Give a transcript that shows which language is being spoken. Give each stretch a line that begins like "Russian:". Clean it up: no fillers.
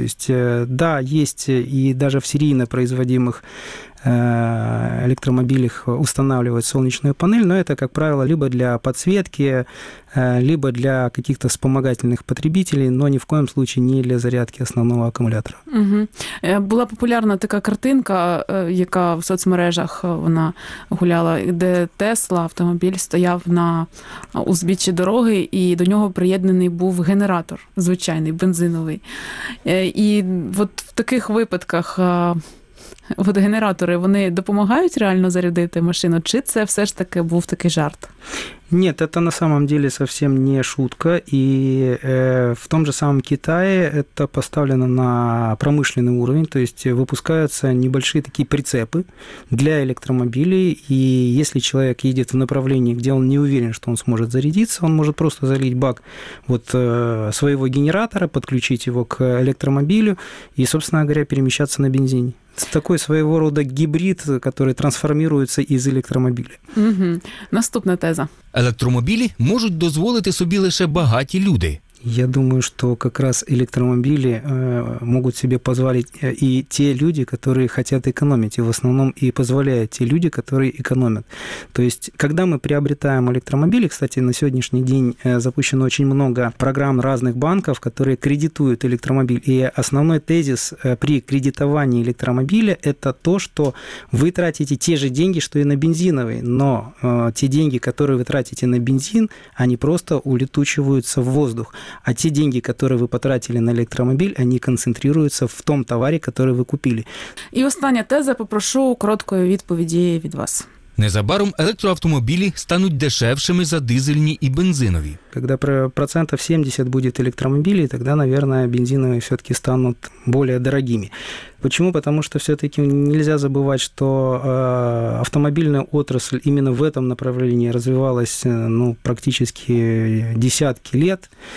Russian: То есть, да, есть и даже в серийно производимых электромобилях устанавливать солнечную панель, но это, как правило, либо для подсветки, либо для каких-то вспомогательных потребителей, но ни в коем случае не для зарядки основного аккумулятора. Угу.
Ukrainian: Була популярна така картинка, яка в соцмережах вона гуляла, де Тесла автомобіль стояв на узбіччі дороги, і до нього приєднаний був генератор звичайний, бензиновий. І от в таких випадках водогенератори, вони допомагають реально зарядити машину? Чи це все ж таки був такий жарт? Ні, це
Russian: на самом деле
Ukrainian: зовсім не
Russian: шутка.
Ukrainian: І в тому ж самому Китаї це поставлено на промисловий рівень, тобто випускаються небольші такі прицепи для електромобілів, і якщо чоловік їде в направлінні, де він не
Russian: уверен,
Ukrainian: що він зможе зарядитися, він може просто залити бак вот, свого генератора, підключити його до електромобілю і,
Russian: собственно говоря,
Ukrainian: переміщатися на бензині. Це такий своєго роду гібрид, який трансформується із електромобіля. Угу. Наступна теза. Електромобілі можуть дозволити собі лише багаті люди.
Russian: Я думаю, что как раз электромобили могут себе позволить и те люди, которые хотят экономить, и в основном и позволяют те люди, которые экономят. То есть, когда мы приобретаем электромобили, кстати, на сегодняшний день запущено очень много программ разных банков, которые кредитуют электромобиль, и основной тезис при кредитовании электромобиля – это то, что вы тратите те же деньги, что и на бензиновый, но те деньги, которые вы тратите на бензин, они просто улетучиваются в воздух. А те деньги, которые вы потратили на электромобиль, они концентрируются в том товаре, который вы купили.
Ukrainian: И остання теза, попрошу короткої відповіді від вас. Незабаром електроавтомобілі стануть дешевшими за дизельні і бензинові.
Russian: Когда процентов 70 будет электромобилей, тогда, наверное, бензиновые все-таки станут более дорогими. Почему? Потому что все-таки нельзя забывать, что автомобильная отрасль именно в этом направлении развивалась ну, практически десятки лет.